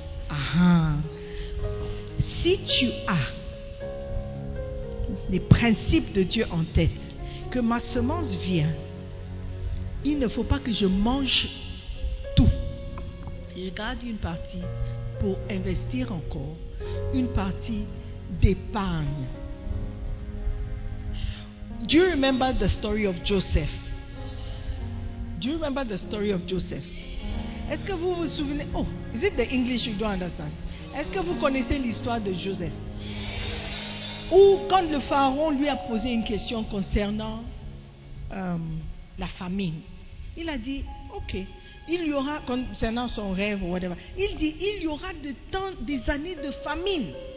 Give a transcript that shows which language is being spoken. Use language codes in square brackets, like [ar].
[fr] Ah, si tu as les principes de Dieu en tête, que ma semence vient, il ne faut pas que je mange tout. Je garde une partie pour investir encore, une partie d'épargne. [en] Do you remember the story of Joseph? Do you remember the story of Joseph? [fr] Est-ce que vous vous souvenez? [en] Oh, is it the English you don't understand? [fr] Est-ce que vous connaissez l'histoire de Joseph? Ou quand le pharaon lui a posé une question concernant la famine. Il a dit, ok, il y aura, concernant son rêve ou whatever, il dit, il y aura de temps, des années de famine.